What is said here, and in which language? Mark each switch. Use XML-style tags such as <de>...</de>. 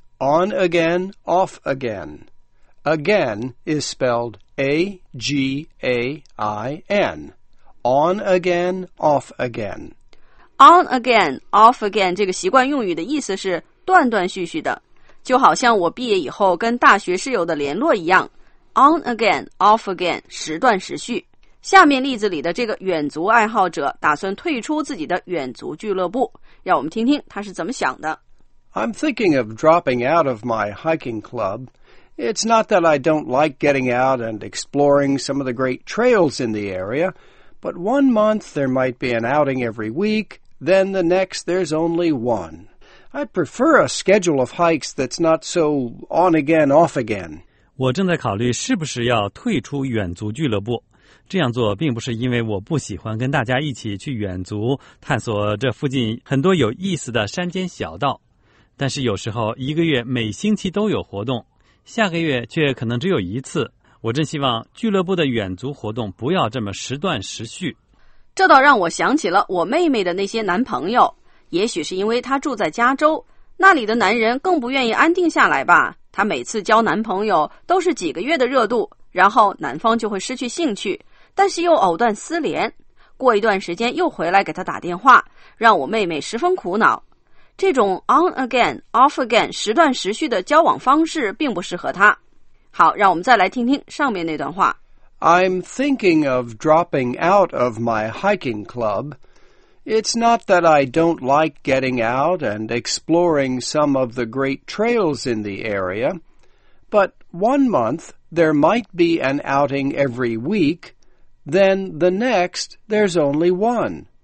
<en>On again, off again. Again is spelled A-G-A-I-N. On again, off again. On again, off again</en> <zh>这个习惯用语的意思是断断续续的，就好像我毕业以后跟大学室友的联络一样。</zh> <en>On again, off again,</en> <zh>时断时续。下面例子里的这个远足爱好者打算退出自己的远足俱乐部，让我们听听他是怎么想的。</zh> <en>I'm thinking of dropping out of my hiking club. It's not that I don't like getting out and exploring some of the great trails in the area, but one month there might be an outing every week, then the next there's only one. I prefer a schedule of hikes that's not so on again, off again.</en> <zh>我正在考虑是不是要退出远足俱乐部。这样做并不是因为我不喜欢跟大家一起去远足，探索这附近很多有意思的山间小道。但是有时候一个月每星期都有活动。下个月却可能只有一次，我真希望俱乐部的远足活动不要这么时断时续。这倒让我想起了我妹妹的那些男朋友，也许是因为她住在加州，那里的男人更不愿意安定下来吧。她每次交男朋友都是几个月的热度，然后男方就会失去兴趣，但是又藕断丝连，过一段时间又回来给她打电话，让我妹妹十分苦恼。这种</zh> <en>on again, off again,</en> <zh>时断时续的交往方式并不适合他。好，让我们再来听听上面那段话。</zh> <en>I'm thinking of dropping out of my hiking club. It's not that I don't like getting out and exploring some of the great trails in the area, but one month there might be an outing every week, then the next there's only one.</en>